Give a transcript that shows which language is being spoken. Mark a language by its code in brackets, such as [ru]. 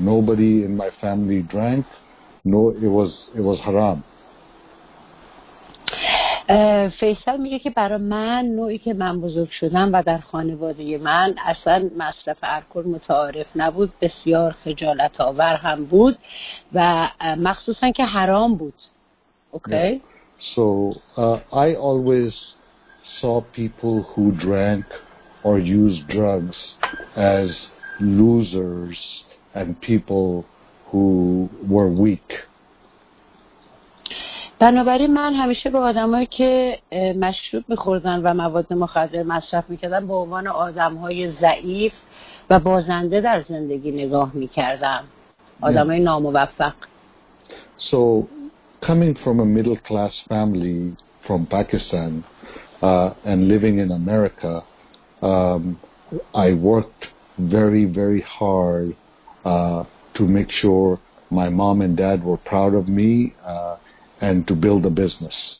[en] Nobody in my family drank. No, it was haram. [fa] فیصل میگه که برای من نوعی که من بزرگ شدم و در خانواده من اصلا مصرف الکل متعارف نبود، بسیار خجالت آور هم بود و مخصوصا که حرام بود. [en] Okay. Yeah. So I always saw people who drank or used drugs as losers and people who were weak. [fa] بنابراین من همیشه به آدمایی که مشروب می‌خوردن و مواد مخدر مصرف می‌کردن به عنوان آدم‌های ضعیف و بازنده در زندگی نگاه می‌کردم. آدمای ناموفق. [en] So coming from a middle class family from Pakistan, and living in America, I worked very, very hard to make sure my mom and dad were proud of me and to build a business.